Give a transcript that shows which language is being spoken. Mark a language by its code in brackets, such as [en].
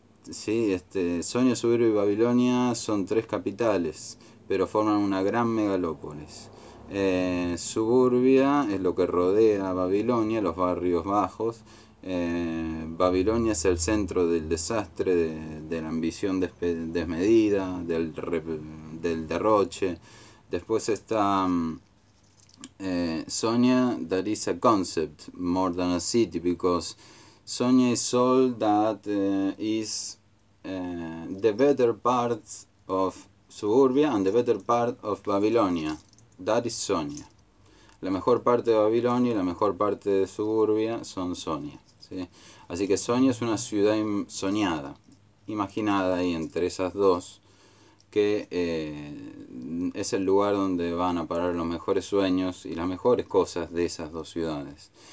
[es] Sí, Sonia, suburbia y Babilonia son tres capitales, pero forman una gran megalópolis. Suburbia es lo que rodea a Babilonia, los barrios bajos. Babilonia es el centro del desastre, de la ambición desmedida, del derroche. Después está Sonia, [en] that is a concept more than a city, because Sonia is all that is the better part of suburbia and the better part of Babilonia. That is Sonia. [es] La mejor parte de Babilonia y la mejor parte de suburbia son Sonia, ¿sí? Así que Sonia es una ciudad soñada, imaginada ahí entre esas dos, que es el lugar donde van a parar los mejores sueños y las mejores cosas de esas dos ciudades.